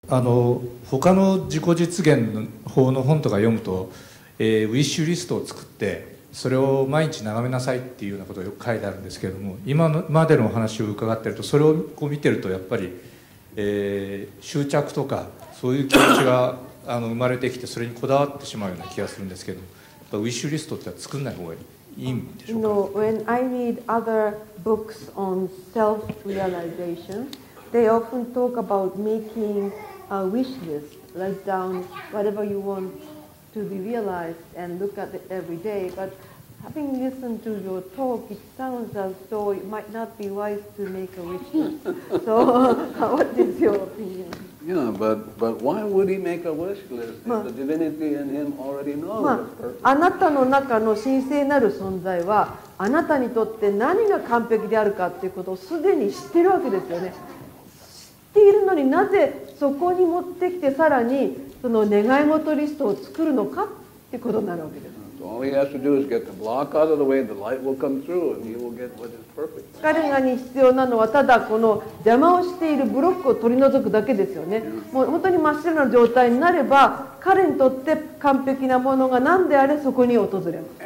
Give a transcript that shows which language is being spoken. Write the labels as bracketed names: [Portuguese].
[Japanese] 他の自己実現法の本とか読むと、ウィッシュリストを作ってそれを毎日眺めなさいっていうようなことをよく書いてあるんですけれども、今までのお話を伺っていると、それをこう見てるとやっぱり、執着とかそういう気持ちが生まれてきて、それにこだわってしまうような気がするんですけど、やっぱウィッシュリストっては作んない方がいいんでしょうか。 [English] No, when I read other books on self-realization, they often talk about making a wish list, write down whatever you want to be realized and look at it every day. But having listened to your talk, it sounds as though it might not be wise to make a wish list. So what is your opinion? Yeah, but why would he make a wish list if the divinity in him already knows? [Japanese] あなたの中の神聖なる存在はあなたにとって何が完璧であるかということをすでに知っているわけですよね。知っているのになぜそこに持ってきてさらにその願い事リストを作るのかってことになるわけです。 [English] All he has to do is get the block out of the way, and the light will come through, and he will get what is perfect. [Japanese] 彼がに必要なのはただこの邪魔をしているブロックを取り除くだけですよね。もう本当に真っ白な状態になれば、彼にとって完璧なものが何であれそこに訪れます。